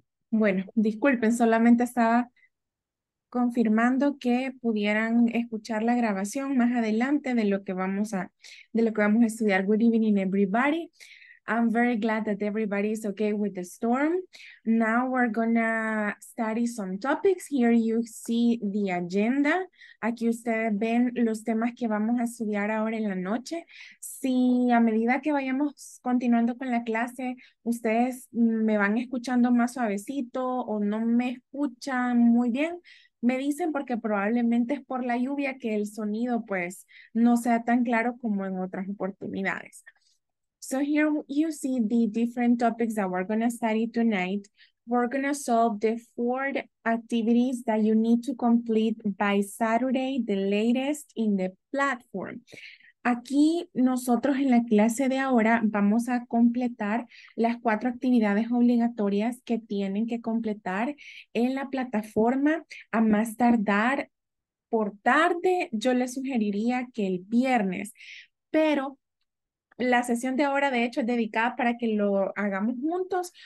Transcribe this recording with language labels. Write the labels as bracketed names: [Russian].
[Spanish] Bueno, disculpen, solamente estaba confirmando que pudieran escuchar la grabación más adelante de lo que vamos a, estudiar. [English] Good evening, everybody. I'm very glad that everybody is okay with the storm. Now we're gonna study some topics. Here you see the agenda. [Spanish] Aquí ustedes ven los temas que vamos a estudiar ahora en la noche. Si a medida que vayamos continuando con la clase, ustedes me van escuchando más suavecito o no me escuchan muy bien, me dicen porque probablemente es por la lluvia que el sonido pues no sea tan claro como en otras oportunidades. [English] So here you see the different topics that we're going to study tonight. We're going to solve the four activities that you need to complete by Saturday, the latest in the platform. [Spanish] Aquí nosotros en la clase de ahora vamos a completar las cuatro actividades obligatorias que tienen que completar en la plataforma a más tardar por tarde. Yo les sugeriría que el viernes, pero la sesión de ahora, de hecho, es dedicada para que lo hagamos juntos.